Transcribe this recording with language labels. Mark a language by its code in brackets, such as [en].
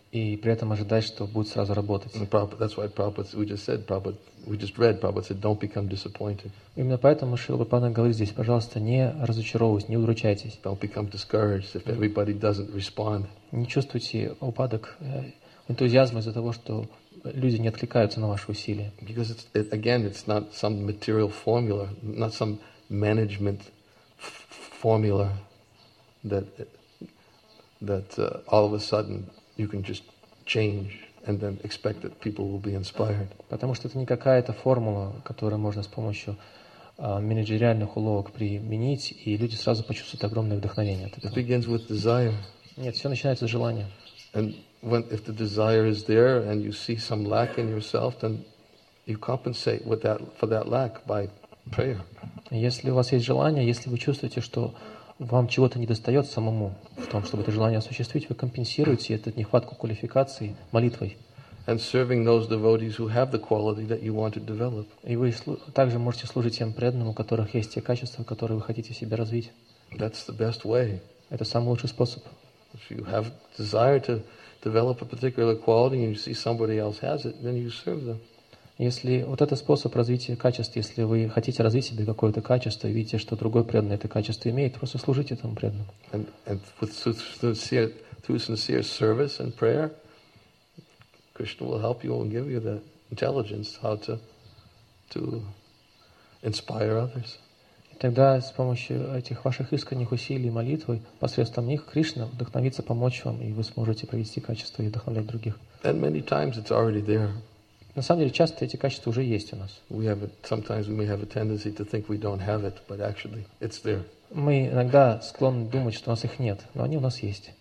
[ru] И при этом ожидать, что будет сразу работать. [en] That's why Prabhupada, we just read, Prabhupada said, don't become disappointed. [ru] Именно поэтому Шрила Прабхупада говорит здесь, пожалуйста, не разочаровывайтесь, не удручайтесь. [en] Don't become discouraged if everybody doesn't respond. [ru] Не чувствуйте упадок энтузиазма из-за того, что люди не откликаются на ваши усилия. [en] Because it's not some material formula, not some management formula that all of a sudden you can just change and then expect that people will be inspired. [ru] Потому что это не какая-то формула, которую можно с помощью менеджериальных уловок применить, и люди сразу почувствуют огромное вдохновение от этого. [en] It begins with desire. [ru] Нет, все начинается с желания. [en] And when if the desire is there and you see some lack in yourself, then you compensate with that for that lack by prayer. [ru] Если у вас есть желание, если вы чувствуете, что вам чего-то не достает самому в том, чтобы это желание осуществить, вы компенсируете эту нехватку квалификации молитвой. [en] And serving those devotees who have the quality that you want to develop. [ru] И вы также можете служить тем преданным, у которых есть те качества, которые вы хотите в себе развить. [en] That's the best way. [ru] Это самый лучший способ. [en] If you have desire to develop a particular quality and you see somebody else has it, then you serve them. [ru] Если вот это способ развития качеств, если вы хотите развить себе какое-то качество и видите, что другой преданный это качество имеет, просто служите этому преданному. [en] And through sincere service and prayer, Krishna will help you and give you the intelligence how to inspire others. [ru] И тогда с помощью этих ваших искренних усилий и молитвы, посредством них, Кришна вдохновится помочь вам, и вы сможете провести качество и вдохновлять других. [en] And many times it's already there. [ru] На самом деле, часто эти качества уже есть у нас. [en] We have sometimes we may have a tendency to think we don't have it, but actually it's there. [ru] Мы иногда склонны думать, что у нас их нет, но они у нас есть.